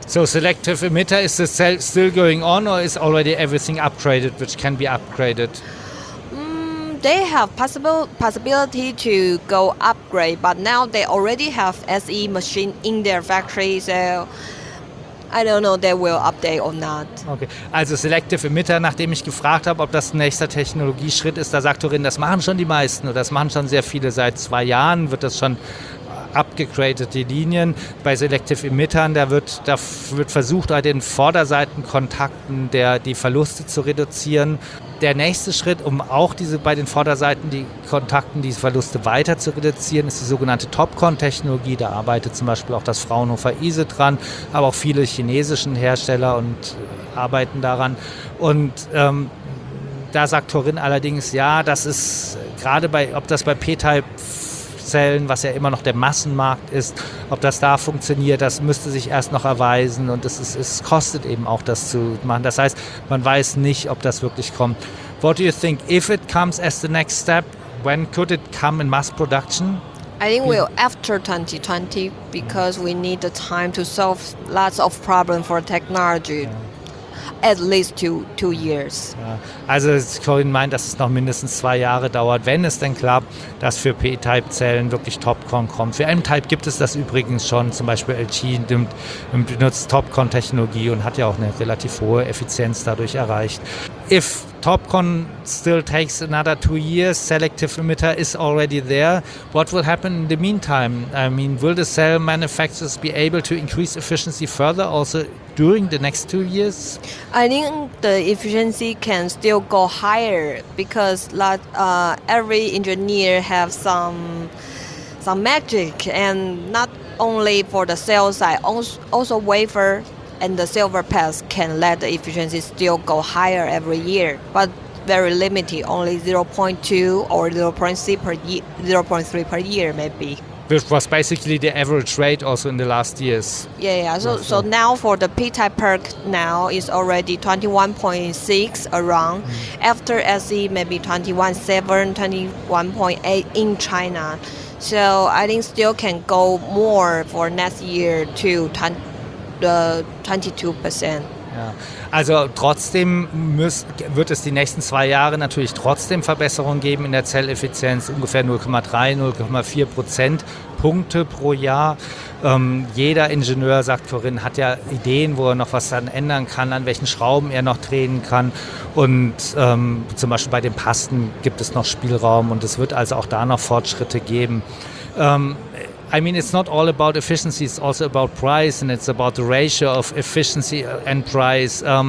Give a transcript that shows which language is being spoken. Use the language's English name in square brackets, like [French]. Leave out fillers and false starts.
[English] So selective emitter, is the cell still going on or is already everything upgraded which can be upgraded? They have possibility to go upgrade, but now they already have SE machine in their factory, so I don't know if they will update or not. [German] Okay, also selective emitter, nachdem ich gefragt habe, ob das nächster Technologieschritt ist, da sagt Turin, das machen schon die meisten oder das machen schon sehr viele. Seit 2 Jahren wird das schon abgegradet, die Linien. Bei selective emittern, da wird versucht, bei den Vorderseitenkontakten die Verluste zu reduzieren. Der nächste Schritt, um auch diese bei den Vorderseiten die Kontakten, die Verluste weiter zu reduzieren, ist die sogenannte Topcon-Technologie. Da arbeitet zum Beispiel auch das Fraunhofer ISE dran, aber auch viele chinesische Hersteller und arbeiten daran. Und da sagt Turin allerdings, ja, das ist gerade bei, ob das bei P-Type-Zellen, was ja immer noch der Massenmarkt ist, ob das da funktioniert, das müsste sich erst noch erweisen und es kostet eben auch, das zu machen. Das heißt, man weiß nicht, ob das wirklich kommt. [English] What do you think, if it comes as the next step, when could it come in mass production? I think we'll after 2020, because we need the time to solve lots of problems for technology. At least two years. [German] Ja. Also Corinne meint, dass es noch mindestens 2 Jahre dauert, wenn es denn klappt, dass für P-Type-Zellen wirklich Topcon kommt. Für M-Type gibt es das übrigens schon, zum Beispiel LG benutzt Topcon-Technologie und hat ja auch eine relativ hohe Effizienz dadurch erreicht. [English] If Topcon still takes another 2 years, selective emitter is already there, what will happen in the meantime? I mean, will the cell manufacturers be able to increase efficiency further also during the next 2 years? I think the efficiency can still go higher because every engineer have some magic, and not only for the cell side, also wafer and the silver pass can let the efficiency still go higher every year, but very limited, only 0.2 or 0.3 per year, 0.3 per year maybe. Which was basically the average rate also in the last years. Yeah. So now for the P-type perk now is already 21.6 around. Mm. After SE maybe 21.7, 21.8 in China. So I think still can go more for next year to 22%. [German] Also trotzdem wird es die nächsten 2 Jahre natürlich trotzdem Verbesserungen geben in der Zelleffizienz, ungefähr 0,3, 0,4 Prozentpunkte pro Jahr. Jeder Ingenieur, sagt Corinne, hat ja Ideen, wo er noch was dann ändern kann, an welchen Schrauben er noch drehen kann. Und zum Beispiel bei den Pasten gibt es noch Spielraum und es wird also auch da noch Fortschritte geben. [English] I mean, it's not all about efficiency, it's also about price, and it's about the ratio of efficiency and price.